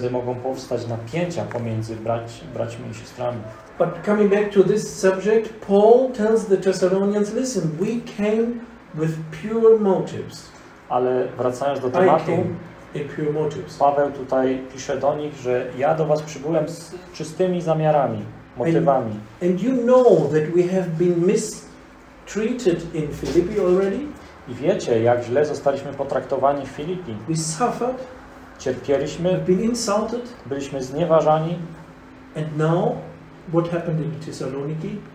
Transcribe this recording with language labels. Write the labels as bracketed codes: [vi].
[pl] Wtedy mogą powstać napięcia pomiędzy braćmi i siostrami. [en] But coming back to this subject, Paul tells the Thessalonians, listen, we came with pure motives. [pl] Ale wracając do tematu, [en] in pure motives. [pl] Paweł tutaj pisze do nich, że ja do was przybyłem z czystymi zamiarami, motywami. [en] And you know that we have been mistreated in Philippi already? [pl] I wiecie, jak źle zostaliśmy potraktowani w Filipii. [en] We suffered. [pl] Cierpieliśmy. [en] Been insulted. [pl] Byliśmy znieważani. [en] And now, what happened in Thessaloniki?